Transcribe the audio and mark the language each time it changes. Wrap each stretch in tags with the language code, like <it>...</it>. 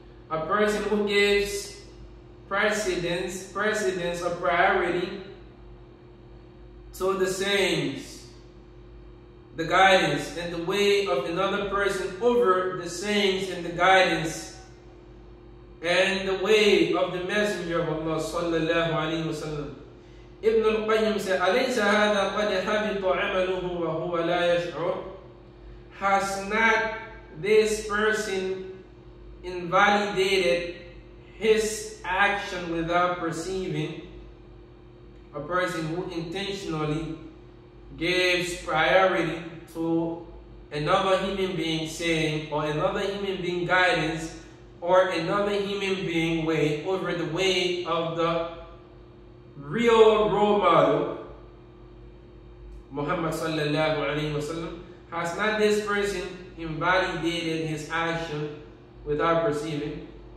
<en>A person who gives precedence or priority to the sayings, the guidance, and the way of another person over the sayings and the guidance and the way of the Messenger of Allah sallallahu alayhi wa sallam. Ibn Al Qayyim said,</en> <ar>أَلَيْسَ هَذَا قَدْ حَبِطُ عَمَلُهُ وَهُوَ لَا يَشْعُرُ.</ar> <en>Has not this person invalidated his action without perceiving? A person who intentionally gives priority to another human being saying, or another human being guidance, or another human being way over the way of the real role model, Muhammad sallallahu alayhi wa sallam, has not this person invalidated his action without perceiving?</en>